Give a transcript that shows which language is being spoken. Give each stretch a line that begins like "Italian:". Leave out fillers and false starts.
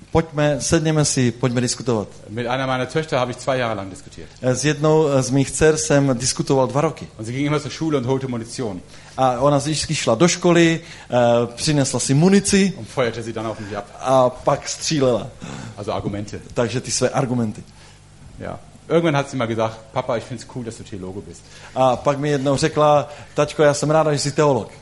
Czech: Pojďme, sedněme si, pojďme diskutovat.
German: Mit einer meiner Töchter habe ich 2 Jahre lang diskutiert.
Czech: S jednou z mých dcer jsem diskutoval 2 roky.
German: Und sie ging immer zur Schule und holte Munition.
Czech: A ona vždycky šla do školy, přinesla si munici.
German: Und feuerte sie dann auf mich ab.
Czech: A pak střílela.
German: Also Argumente.
Czech: Takže ty své argumenty.
German: Ja. Irgendwann hat sie mal gesagt: Papa, ich find's cool, dass du Theologe bist.
Czech: A pak mi jednou řekla: Tačko, já jsem ráda, že jsi teolog.